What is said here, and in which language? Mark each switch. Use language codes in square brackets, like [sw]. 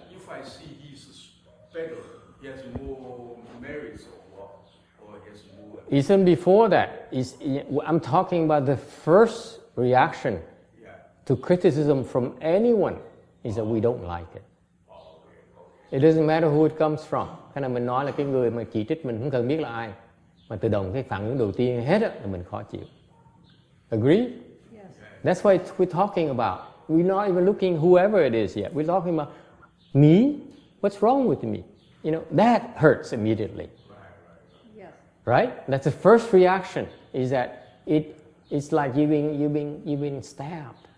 [en] If I see he's better, he has more merits or he has more... Even before that, I'm talking about the first reaction to criticism from anyone is that we don't like it. Okay. It doesn't matter who it comes from. [vi] Khi mình nói là cái người mà chỉ trích mình không cần biết là ai. Mà tự động cái phản ứng đầu tiên hết là mình khó chịu. [en] Agree? Yes. That's why we're talking about. We're not even looking whoever it is yet. We're talking about me? What's wrong with me? You know, that hurts immediately. Right. Yes. Right? That's the first reaction, is that it's like you've been stabbed.